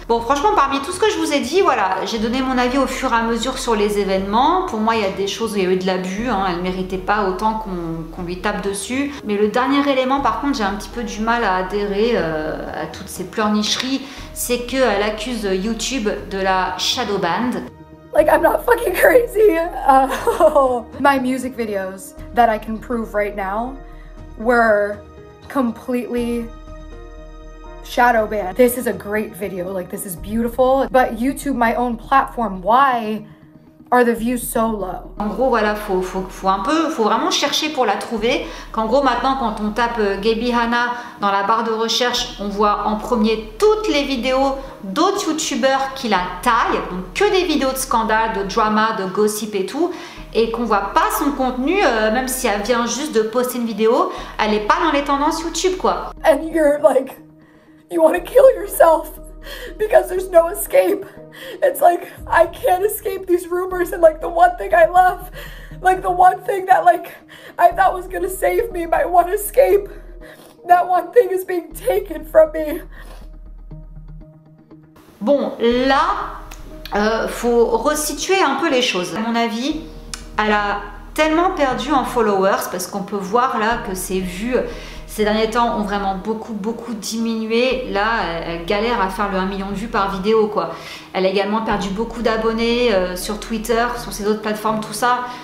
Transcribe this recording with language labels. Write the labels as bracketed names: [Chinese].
[French] Bon, franchement, parmi tout ce que je vous ai dit, voilà, j'ai donné mon avis au fur et à mesure sur les événements. Pour moi, il y a des choses où il y a eu de l'abus, hein, elle méritait pas autant qu'on lui tape dessus. Mais le dernier élément, par contre, j'ai un petit peu du mal à adhérer à toutes ces pleurnicheries, c'est qu'elle accuse YouTube de la shadow band. [English] Like, I'm not fucking crazy. My music videos that I can prove right now were completely shadow banned. This is a great video. Like, this is beautiful. But YouTube, my own platform, why are the views so low? [French] En gros, voilà, faut vraiment chercher pour la trouver. Qu'en gros, maintenant, quand on tape Gaby Hanna dans la barre de recherche, on voit en premier toutes les vidéos d'autres youtubeurs qui la taillent, donc que des vidéos de scandale, de drama, de gossip et tout, et qu'on voit pas son contenu, même si elle vient juste de poster une vidéo, elle est pas dans les tendances YouTube, quoi. [English] And you're like, you want to kill yourself because there's no escape. It's like, I can't escape these rumors, and like the one thing I love, like the one thing that like I thought was gonna save me, my one escape, that one thing is being taken from me. [French] Bon, là, faut resituer un peu les choses. À mon avis, elle a tellement perdu en followers, parce qu'on peut voir là que ses vues ces derniers temps ont vraiment beaucoup, beaucoup diminué. Là, elle galère à faire le 1 million de vues par vidéo, quoi. Elle a également perdu beaucoup d'abonnés sur Twitter, sur ses autres plateformes, tout ça.